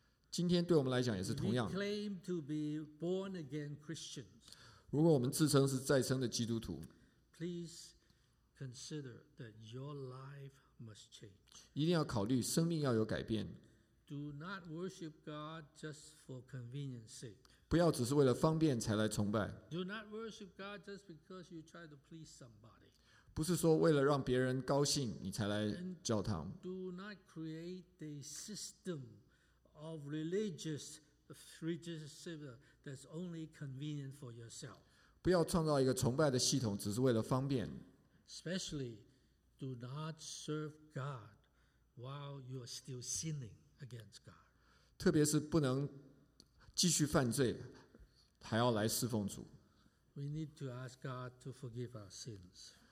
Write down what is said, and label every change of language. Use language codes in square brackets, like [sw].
[zh] 今天对我们来讲也是同样。 [en] We claim to be born again Christians. [zh] 如果我们自称是再生的基督徒， [en] Please consider that your life must change. [zh] 一定要考虑生命要有改变。 [en] Do not worship God just for convenience sake. [zh] 不要只是为了方便才来崇拜。 [en] Do not worship God just because you try to please somebody. [zh] 不是说为了让别人高兴你才来教堂。 [en] Do not create a system. Of religious freedom that's only convenient for yourself. [zh] 不要创造一个崇拜的系统，只是为了方便。 [en] Especially, do not serve God while you are still sinning against God. [zh] 特别是不能继续犯罪，还要来侍奉主。 [en] We need to ask God to forgive our sins.